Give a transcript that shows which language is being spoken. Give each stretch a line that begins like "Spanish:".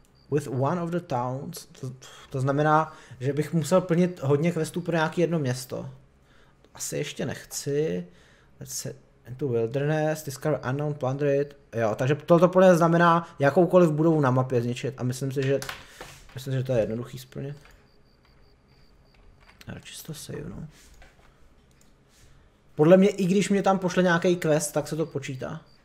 English: With one of the towns,
Czech: to znamená, že bych musel plnit hodně questů pro nějaké jedno město. Asi ještě nechci.
English: Let's see. Into wilderness, discover unknown, plunder it.
Czech: Jo, takže tohle plně znamená jakoukoliv budovu na mapě zničit a myslím si, že to je jednoduchý splnit. Radši to save, no. Podle mě, i když mě tam pošle nějaký quest, tak se to počítá.